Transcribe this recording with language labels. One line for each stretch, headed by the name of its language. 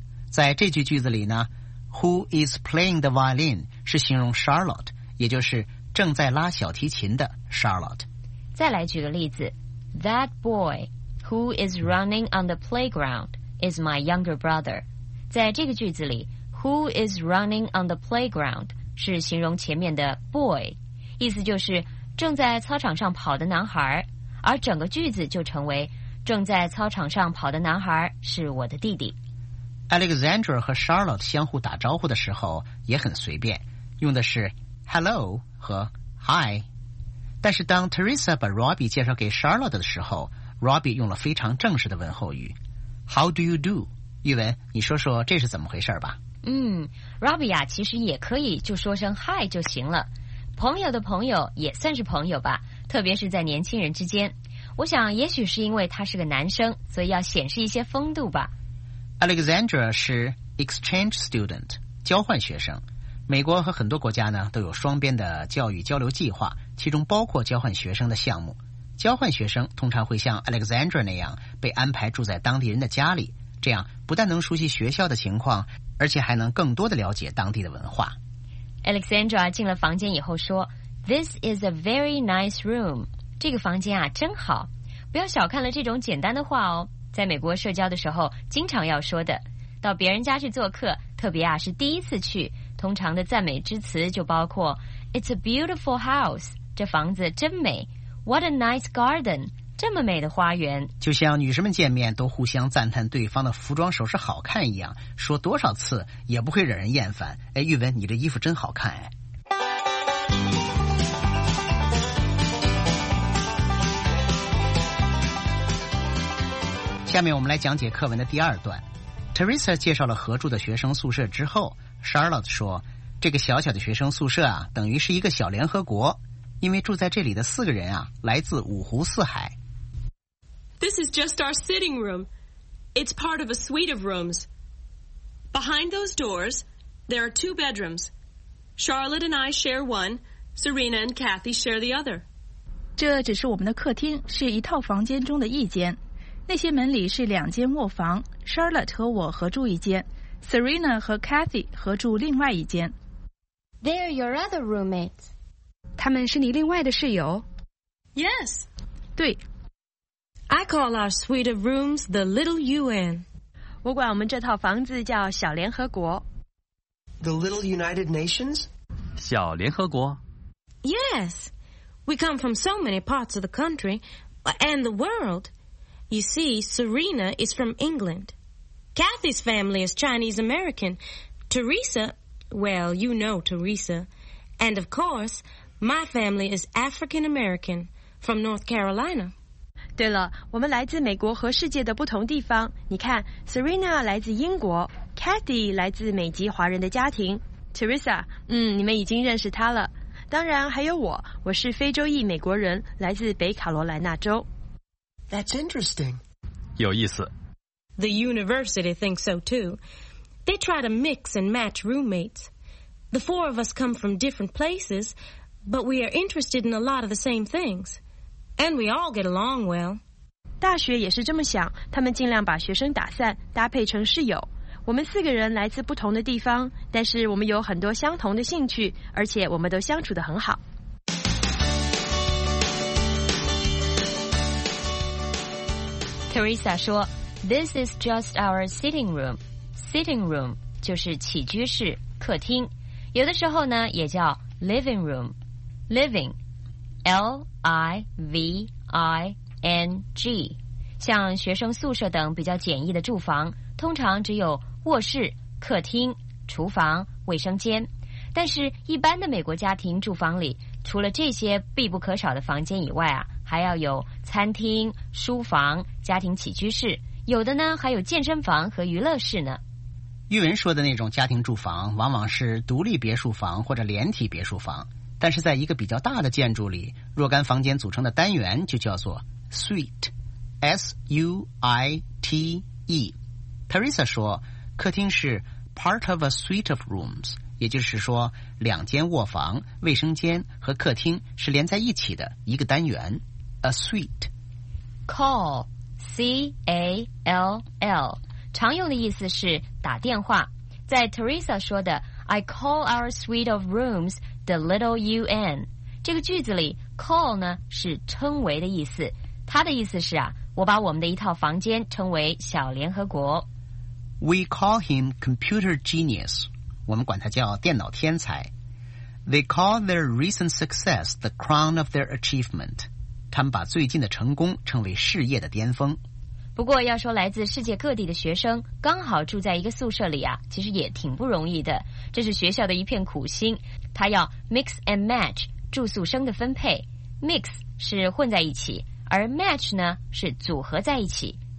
Chinese: 在这句句子里呢 ，
English: Who is playing the violin
Chinese: 是形容 Charlotte， 也就是正在拉小提琴的 Charlotte。再来举个例子
English: ，That boy who is running on the playground is my younger brother。
Chinese: 在这个句子里 ，
English: Who is running on the playground
Chinese: 是形容前面的 boy， 意思就是正在操场上跑的男孩，而整个句子就成为正在操场上跑的男孩是我的弟弟。 Alexandra 和 Charlotte 相互打招呼的时候也很随便，用的是 hello 和 hi。但是当 Teresa 把 Robbie 介绍给 Charlotte 的时候， Robbie 用了非常正式的问候语
English: How do you do?
Chinese: 玉文，你说说这是怎么回事吧。嗯， Robbie 啊，其实也可以就说声 hi 就行了，朋友的朋友也算是朋友吧，特别是在年轻人之间。我想也许是因为他是个男生，所以要显示一些风度吧。 Alexandra 是 exchange student， 交换学生。美国和很多国家呢都有双边的教育交流计划，其中包括交换学生的项目。交换学生通常会像 Alexandra 那样被安排住在当地人的家里，这样不但能熟悉学校的情况，而且还能更多的了解当地的文化。 Alexandra 进了房间以后说
English: This is a very nice room，
Chinese: 这个房间啊真好。不要小看了这种简单的话哦，在美国社交的时候经常要说的。到别人家去做客，特别啊是第一次去，通常的赞美之词就包括
English: It's a beautiful house，
Chinese: 这房子真美。
English: What a nice garden，
Chinese: 这么美的花园。就像女生们见面都互相赞叹对方的服装首饰好看一样，说多少次也不会惹人厌烦。哎，玉文，你这衣服真好看。哎，下面我们来讲解课文的第二段。 Teresa 介绍了合住的学生宿舍之后， Charlotte 说这个小小的学生宿舍啊，等于是一个小联合国，因为住在这里的四个人啊来自五湖四海。
English: This is just our sitting room. It's part of a suite of rooms. Behind those doors there are two bedrooms. Charlotte and I share one. Serena and Kathy share the other.
Chinese: 这只是我们的客厅，是一套房间中的一间。那些门里是两间卧房， Charlotte 和我合住一间， Serena 和 Kathy 合住另外一间。
English: They're your other roommates.
Chinese: 他们是你另外的室友？
English: Yes.
Chinese: 对。
English: I call our suite of rooms the Little UN.
Chinese: 我管我们这套房子叫小联合国。
English: The Little United Nations?
Chinese: 小联合国。
English: Yes. We come from so many parts of the country and the world. You see, Serena is from England. Kathy's family is Chinese American. Teresa, well, you know Teresa. And of course, my family is African American from North Carolina.
Chinese: 对了，我们来自美国和世界的不同地方。你看 ，Serena 来自英国 ，Kathy 来自美籍华人的家庭 ，Teresa， 你们已经认识她了。当然还有我，我是非洲裔美国人，来自北卡罗来纳州。
English: That's interesting.
Chinese: 有意思。
English: The university thinks so too. They try to mix and match roommates. The four of us come from different places, but we are interested in a lot of the same things. And we all get along well.
Chinese: 大学也是这么想，他们尽量把学生打散，搭配成室友。我们四个人来自不同的地方，但是我们有很多相同的兴趣，而且我们都相处得很好。
English: Teresa
Chinese: 说
English: ，This is just our sitting room.
Chinese: Sitting room 就是起居室、客厅，有的时候呢也叫 living room. Living, L-I-V-I-N-G， 像学生宿舍等比较简易的住房，通常只有卧室、客厅、厨房、卫生间，但是一般的美国家庭住房里，除了这些必不可少的房间以外啊，还要有餐厅、书房、家庭起居室，有的呢还有健身房和娱乐室呢。玉文说的那种家庭住房，往往是独立别墅房或者连体别墅房，但是在一个比较大的建筑里，若干房间组成的单元就叫做 suite，S-U-I-T-E。 Teresa 说，客厅是
English: part of a suite of rooms，
Chinese: 也就是说，两间卧房、卫生间和客厅是连在一起的一个单元 ，a suite。 Call, C A L L， 常用的意思是打电话。在 Teresa 说的
English: "I call our suite of rooms the Little UN"
Chinese: 这个句子里 ，call 呢是称为的意思，它的意思是啊，我把我们的一套房间称为小联合国。
English: We call him computer genius.
Chinese: 我们管他叫电脑天才。
English: They call their recent success the crown of their achievement.
Chinese: 他们把最近的成功称为事业的巅峰。不过要说来自世界各地的学生刚好住在一个宿舍里啊，其实也挺不容易的。这是学校的一片苦心，他要
English: mix and match
Chinese: 住宿生的分配。 Mix 是混在一起，而 match 呢是组合在一起。